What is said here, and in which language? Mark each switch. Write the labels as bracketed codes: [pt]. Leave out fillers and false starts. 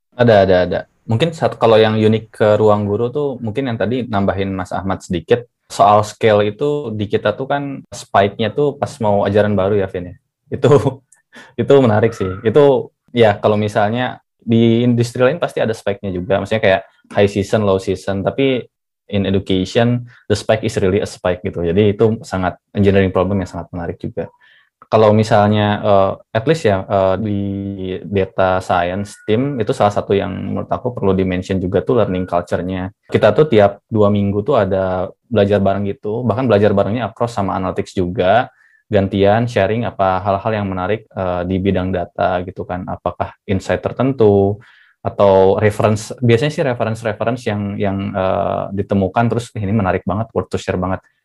[id] Ada. Mungkin satu, kalau yang unik ke Ruang Guru tuh mungkin yang tadi nambahin Mas Ahmad sedikit, soal scale itu di kita tuh kan spike-nya tuh pas mau ajaran baru ya Vin ya. Itu menarik sih. Itu ya kalau misalnya di industri lain pasti ada spike-nya juga. Maksudnya kayak high season, low season, tapi [en] in education the spike is really a spike [id] gitu. Jadi itu sangat engineering problem yang sangat menarik juga. Kalau misalnya at least ya di data science team itu salah satu yang menurut aku perlu dimention juga tuh learning culture-nya. Kita tuh tiap 2 minggu tuh ada belajar bareng gitu, bahkan belajar barengnya across sama analytics juga, gantian sharing apa hal-hal yang menarik di bidang data gitu kan, apakah insight tertentu atau reference, biasanya sih reference-reference yang ditemukan terus ini menarik banget, [en] worth to share [id] banget.